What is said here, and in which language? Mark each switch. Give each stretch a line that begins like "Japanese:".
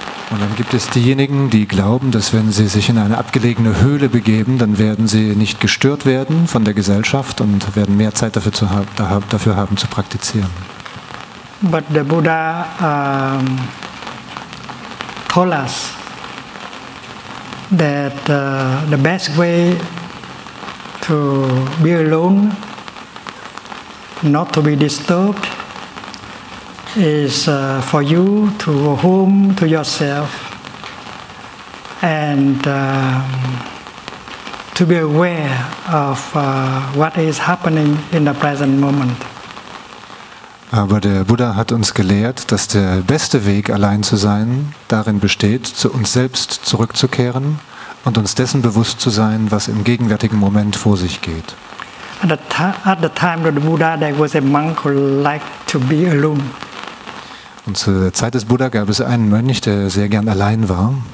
German: Und dann gibt es diejenigen, die glauben, dass wenn sie sich in eine abgelegene Höhle begeben, dann werden sie nicht gestört werden von der Gesellschaft und werden mehr Zeit dafür haben zu praktizieren.
English: But the Buddha told us that the best way to be alone, not to be disturbed, is for you to go home to yourself and to be aware of what is happening in the present moment.
German: Aber der Buddha hat uns gelehrt, dass der beste Weg, allein zu sein, darin besteht, zu uns selbst zurückzukehren und uns dessen bewusst zu sein, was im gegenwärtigen Moment vor sich geht.
English: At the time of the Buddha, there was a monk who liked to be alone.
German: Und zur Zeit des Buddha gab es einen Mönch, der sehr gern allein war.